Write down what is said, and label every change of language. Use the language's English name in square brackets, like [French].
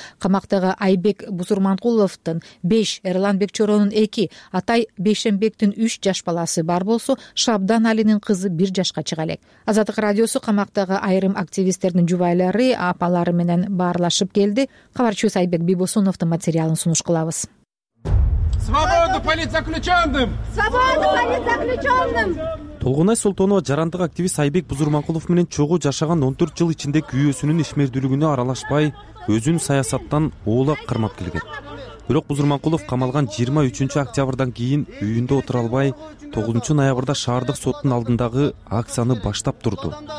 [Kyrgyz] Камактагы Айбек Бузурманкуловдун 5, Эрлан Бекчоронун 2, Атай Бейшенбектин 3 жаш баласы бар болсо, Шабдан Алинин кызы 1 жашка чыга элек. Азаттык радиосу камактагы айрым активисттердин жубайлары, апалары менен баарлашып келди. Кабарчыбыз Айбек Бибосуновдун материалын сунуш кылабыз. [Russian] Свободу политзаключенным! Свободу политзаключенным! [Kyrgyz] Толгонай Султонова жарандык активист Айбек Бузурманкулов менен чогуу жашаган 14 жыл ичинде күйөөсүнүн ишмердүүлүгүнө аралашпай, өзүн саясаттан оолак кармап келген. Бирок Бузурманкулов камалган 23 октябрдан кийин үйүндө отура албай, 9 ноябрда шаардык соттун алдындагы акцияны баштап турду.